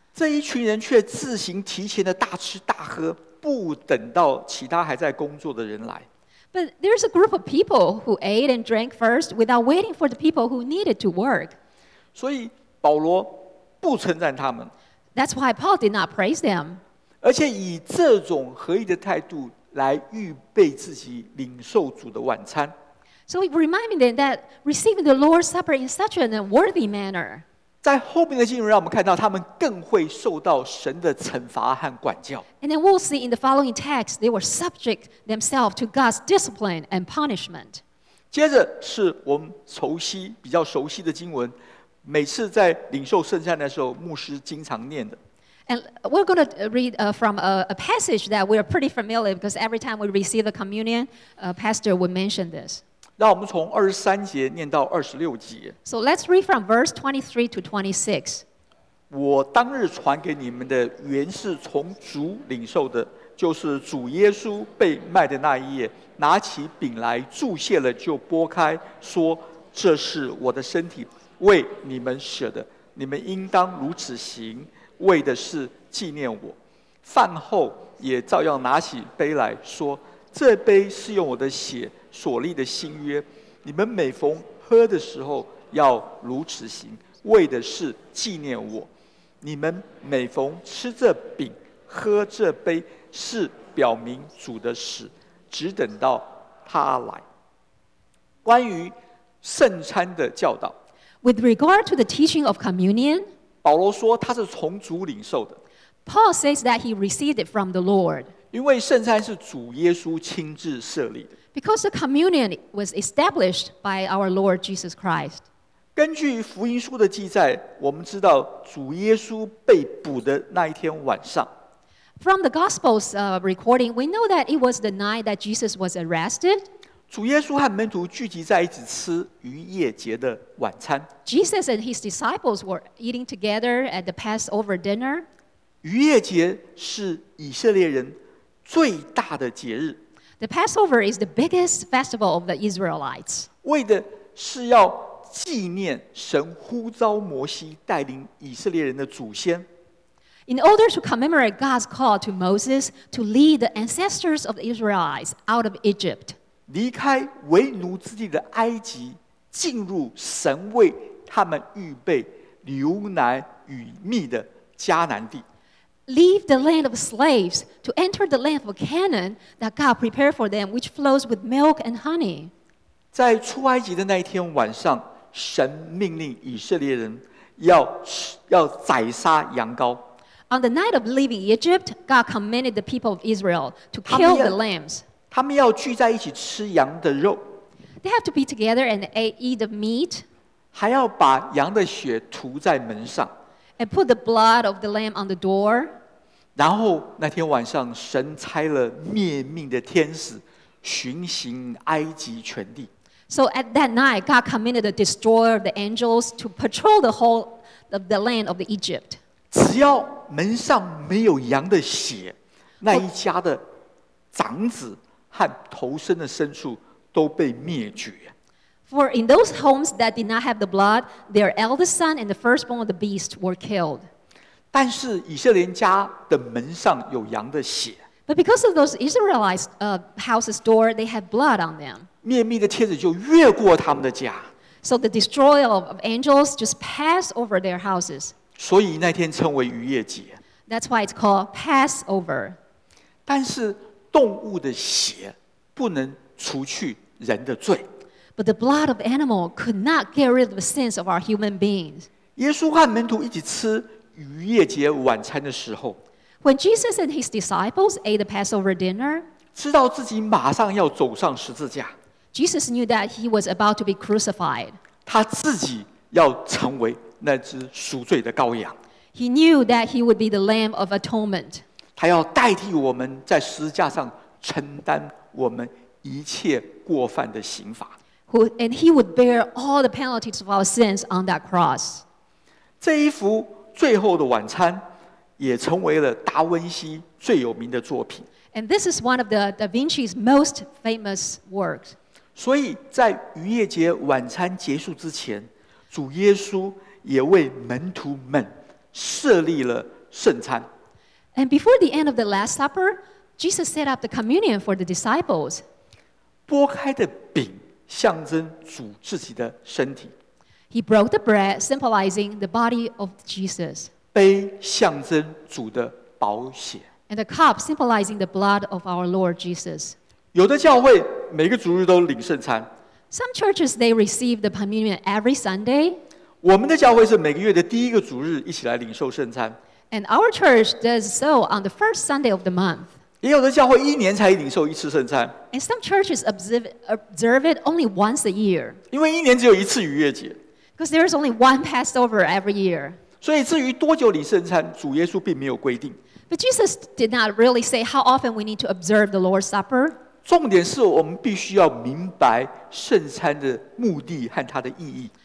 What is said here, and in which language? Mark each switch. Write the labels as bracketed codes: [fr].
[zh] 这一群人却自行提前的大吃大喝，不等到其他还在工作的人来。 [en] But there's a group of people who ate and drank first without waiting for the people who needed to work. [zh] 所以保罗不称赞他们。 [en] That's why Paul did not praise them. [zh] 而且以这种合一的态度来预备自己领受主的晚餐。 [en] So it reminded them that receiving the Lord's Supper in such an unworthy manner. [zh] 在后面的经文让我们看到他们更会受到神的惩罚和管教。 [en] And then we'll see in the following text, they were subject themselves to God's discipline and punishment. [zh] 接着是我们熟悉，比较熟悉的经文，每次在领受圣餐的时候，牧师经常念的。 [en] And we're going to read from a passage that we're pretty familiar because every time we receive the communion, Pastor would mention this. [zh] 让我们从二十三节念到二十六节。 [en] So let's read from verse 23 to 26. [zh] 我当日传给你们的原是从主领受的，就是主耶稣被卖的那一夜，拿起饼来祝谢了，就拨开，说：“这是我的身体，为你们舍的。你们应当如此行，为的是纪念我。” 饭后也照样拿起杯来说：“这杯是用我的血。” 所立的新约，你们每逢喝的时候要如此行，为的是纪念我。你们每逢吃这饼、喝这杯，是表明主的死，只等到他来。关于圣餐的教导 [en] ，With regard to the teaching of communion， [zh] 保罗说他是从主领受的。 [en] Paul says that he received it from the Lord。 [zh] 因为圣餐是主耶稣亲自设立的。 [en] Because the communion was established by our Lord Jesus Christ. [zh] 根据福音书的记载，我们知道主耶稣被捕的那一天晚上。 [en] From the Gospel's recording, we know that it was the night that Jesus was arrested. [zh] 主耶稣和门徒聚集在一起吃逾越节的晚餐。 [en] Jesus and his disciples were eating together at the Passover dinner. [zh] 逾越节是以色列人最大的节日。 [en] The Passover is the biggest festival of the Israelites. [zh] 为的是要纪念神呼召摩西带领以色列人的祖先。 [en] In order to commemorate God's call to Moses to lead the ancestors of the Israelites out of Egypt. [zh] 离开为奴之地的埃及，进入神为他们预备流奶与蜜的迦南地。 [en] Leave the land of slaves to enter the land of Canaan that God prepared for them, which flows with milk and honey. [zh] 在出埃及的那一天晚上，神命令以色列人要宰杀羊羔。 [en] On the night of leaving Egypt, God commanded the people of Israel to kill the lambs. [zh] 他们要聚在一起吃羊的肉。 [en] They have to be together and eat the meat. [zh] 还要把羊的血涂在门上。 [en] And put the blood of the lamb on the door. [zh] 然后那天晚上，神差了灭命的天使巡行埃及全地。 [en] So at that night, God commanded the destroyer of the angels to patrol the whole of the land of the Egypt. [zh] 只要门上没有羊的血，那一家的长子和头生的牲畜都被灭绝。 [en] For in those homes that did not have the blood, their eldest son and the firstborn of the beast were killed. [zh] 但是以色列家的门上有羊的血。 [en] But because of those Israelites, houses' door, they had blood on them. [zh] 灭命的天使就越过他们的家。 [en] So the destroyer of angels just passed over their houses. [zh] 所以那天称为逾越节。 [en] That's why it's called Passover. [zh] 但是动物的血不能除去人的罪。 [en] But the blood of animal could not get rid of the sins of our human beings. [zh] 耶稣和门徒一起吃逾越节晚餐的时候， [en] When Jesus and his disciples ate the Passover dinner, [zh] 知道自己马上要走上十字架， [en] Jesus knew that he was about to be crucified. [zh] 他自己要成为那只赎罪的羔羊， [en] He knew that he would be the Lamb of Atonement. [zh] 他要代替我们在十字架上承担我们一切过犯的刑罚。 [en] And he would bear all the penalties of our sins on that cross. [zh] 这一幅最后的晚餐也成为了达文西最有名的作品。 [en] And this is one of the Da Vinci's most famous works. [zh] 所以在逾越节晚餐结束之前，主耶稣也为门徒们设立了圣餐。 [en] And before the end of the Last Supper, Jesus set up the communion for the disciples. [zh] 擘开的饼象征主自己的身体。 [en] He broke the bread, symbolizing the body of Jesus. [zh] 杯象征主的宝血。 [en] And the cup, symbolizing the blood of our Lord Jesus. [zh] 有的教会每个主日都领圣餐。 [en] Some churches they receive the communion every Sunday. [zh] 我们的教会是每个月的第一个主日一起来领受圣餐。 [en] And our church does so on the first Sunday of the month. [zh] 也有的教会一年才领受一次圣餐。 [en] And some churches observe it only once a year. [zh] 因为一年只有一次逾越节。 [en] Because there is only one Passover every year. [zh] 所以至于多久领圣餐，主耶稣并没有规定。 [en] But Jesus did not really say how often we need to observe the Lord's Supper. [zh] 重点是我们必须要明白圣餐的目的和它的意义。